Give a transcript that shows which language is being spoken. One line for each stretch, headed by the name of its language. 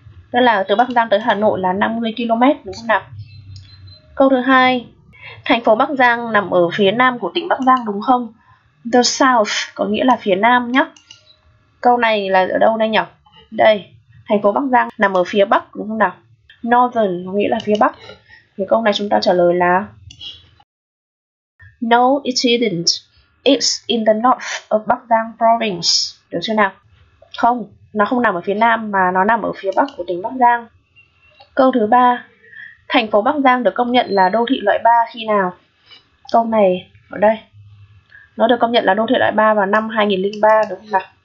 Vietnamese: Tức là từ Bắc Giang tới Hà Nội là 50 km đúng không nào? Câu thứ hai, thành phố Bắc Giang nằm ở phía nam của tỉnh Bắc Giang đúng không?
English: The south
Vietnamese: có nghĩa là phía nam nhé. Câu này là ở đâu đây nhỉ? Đây, thành phố Bắc Giang nằm ở phía bắc đúng không nào? Northern có nghĩa là phía bắc. Thì câu này chúng ta trả lời là
English: No, it isn't. It's in the north of Bắc Giang province.
Vietnamese: Được chưa nào? Không, nó không nằm ở phía nam mà nó nằm ở phía bắc của tỉnh Bắc Giang. Câu thứ 3, thành phố Bắc Giang được công nhận là đô thị loại 3 khi nào? Câu này ở đây. Nó được công nhận là đô thị loại 3 vào năm 2003 đúng không nào?